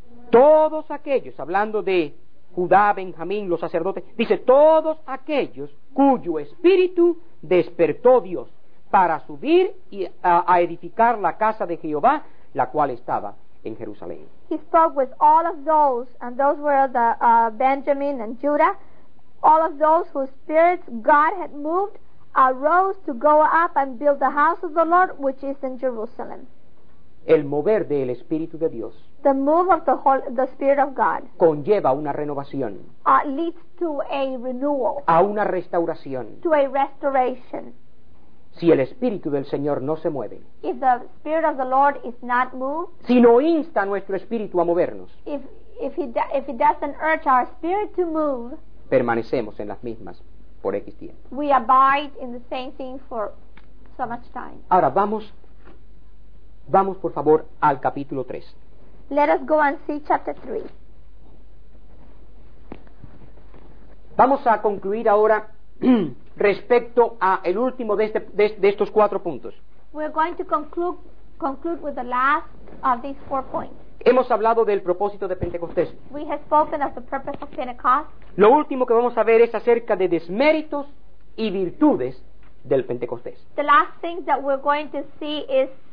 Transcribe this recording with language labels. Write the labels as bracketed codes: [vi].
[es] Todos aquellos, hablando de Judá, Benjamín, los sacerdotes, dice, todos aquellos cuyo espíritu despertó Dios para subir y a edificar la casa de Jehová, la cual estaba en Jerusalén. [en] He spoke with all of those, and those were the Benjamin and Judah, all of those whose spirits God had moved arose to go up and build the house of the Lord, which is in Jerusalem. [es] El mover del Espíritu de Dios, [en] the move of the Spirit of God, [es] conlleva una renovación, [en] leads to a renewal, [es] a una restauración, [en] to a restoration. [es] Si el Espíritu del Señor no se mueve, [en] if the Spirit of the Lord is not moved, [es] si no insta a nuestro espíritu a movernos, [en] if he doesn't urge our spirit to move, [es] permanecemos en las mismas por X tiempo. [en] We abide in the same thing for so much time. [es] Ahora vamos por favor al capítulo 3. [en] Let us go and see chapter 3. [es] Vamos a concluir ahora respecto a el último de estos cuatro puntos. [en] We're going to conclude with the last of these four points. [es] Hemos hablado del propósito de Pentecostés. [en] We have spoken of the purpose of Pentecost. [es] Lo último que vamos a ver es acerca de desméritos y virtudes del Pentecostés. [en] The last thing that we're going to see is